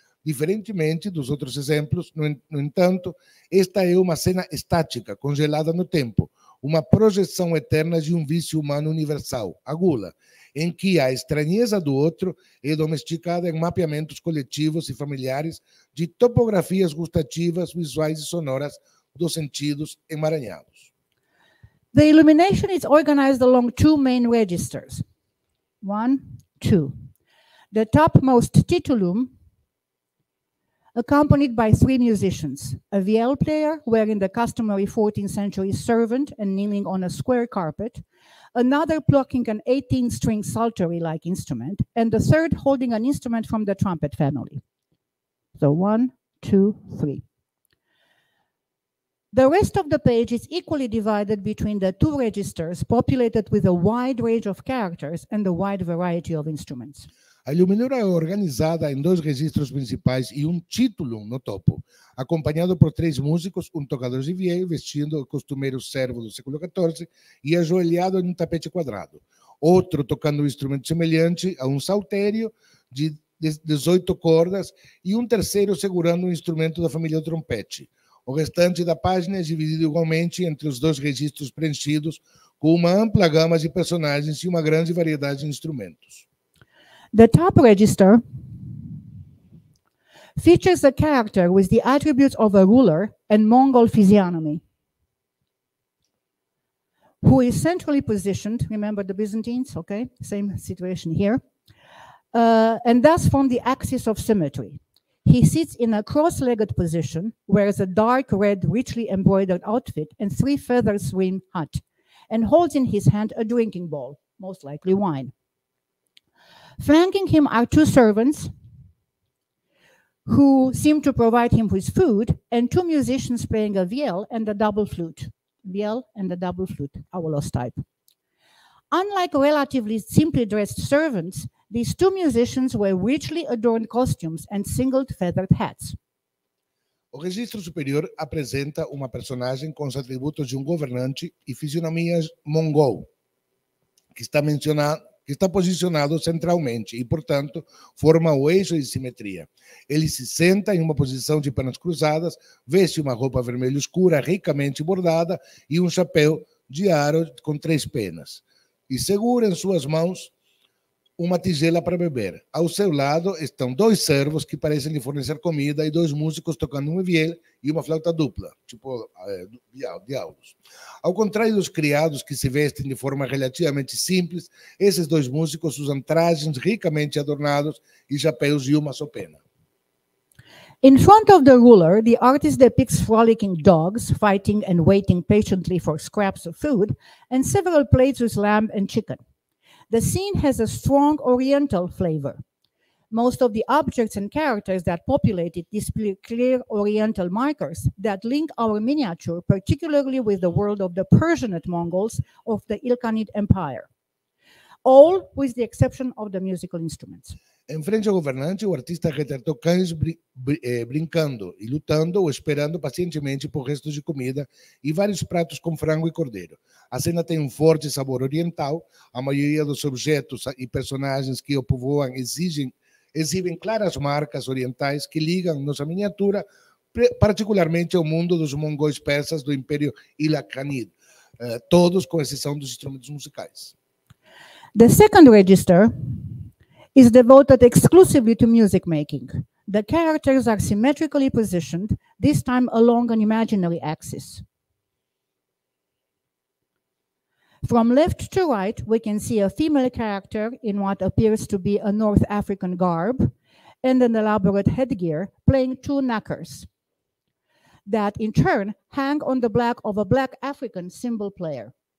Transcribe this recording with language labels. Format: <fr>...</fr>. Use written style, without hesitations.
<pt>Diferentemente dos outros exemplos, no entanto, esta é uma cena estática, congelada no tempo, uma projeção eterna de um vício humano universal, a gula, em que a estranheza do outro é domesticada em mapeamentos coletivos e familiares de topografias gustativas, visuais e sonoras dos sentidos emaranhados.</pt> <en>The illumination is organized along two main registers. One, two. The topmost titulum, accompanied by three musicians, a viol player wearing the customary 14th century servant and kneeling on a square carpet, another plucking an 18-string psaltery-like instrument, and the third holding an instrument from the trumpet family. So one, two, three. The rest of the page is equally divided between the two registers, populated with a wide range of characters and a wide variety of instruments.</en> <pt>A iluminura é organizada em dois registros principais e título no topo, acompanhado por três músicos, tocador de viol vestindo o costumeiro servo do século XIV e ajoelhado em tapete quadrado. Outro tocando um instrumento semelhante a saltério de 18 cordas e terceiro segurando um instrumento da família trompete. O restante da página é dividido igualmente entre os dois registros preenchidos com uma ampla gama de personagens e uma grande variedade de instrumentos.</pt> <en>The top register features a character with the attributes of a ruler and Mongol physiognomy, who is centrally positioned, remember the Byzantines, okay, same situation here, and thus from the axis of symmetry. He sits in a cross-legged position, wears a dark red, richly embroidered outfit and three feather swim hat, and holds in his hand a drinking bowl, most likely wine. Flanking him are two servants who seem to provide him with food and two musicians playing a viol and a double flute. Viol and a double flute, our lost type. Unlike relatively simply dressed servants, these two musicians wear richly adorned costumes and singled feathered hats.</en> <pt>O registro superior apresenta uma personagem com os atributos de governante e fisionomia mongol, que está mencionado que está posicionado centralmente e, portanto, forma o eixo de simetria. Ele se senta em uma posição de pernas cruzadas, veste uma roupa vermelha escura, ricamente bordada, e chapéu de aro com três penas. E segura em suas mãos uma tigela para beber. Ao seu lado estão dois servos que parecem lhe fornecer comida e dois músicos tocando viol e flauta dupla, tipo diálogos. Ao contrário dos criados que se vestem de forma relativamente simples, esses dois músicos usam trajes ricamente adornados e chapéus de só pena.</pt> <en>In front of the ruler, the artist depicts frolicking dogs fighting and waiting patiently for scraps of food and several plates with lamb and chicken. The scene has a strong oriental flavor. Most of the objects and characters that populate it display clear oriental markers that link our miniature particularly with the world of the Persianate Mongols of the Ilkhanid Empire, all with the exception of the musical instruments.</en> <pt>Em frente ao governante, o artista retratou cães brincando e lutando ou esperando pacientemente por restos de comida e vários pratos com frango e cordeiro. A cena tem forte sabor oriental. A maioria dos objetos e personagens que o povoam exibem claras marcas orientais que ligam nossa miniatura particularmente ao mundo dos mongóis persas do Império Ilkhanid, todos com exceção dos instrumentos musicais.</pt> <en>The second register is devoted exclusively to music making. The characters are symmetrically positioned, this time along an imaginary axis. From left to right, we can see a female character in what appears to be a North African garb and an elaborate headgear playing two knackers that in turn hang on the back of a black African cymbal player.</en>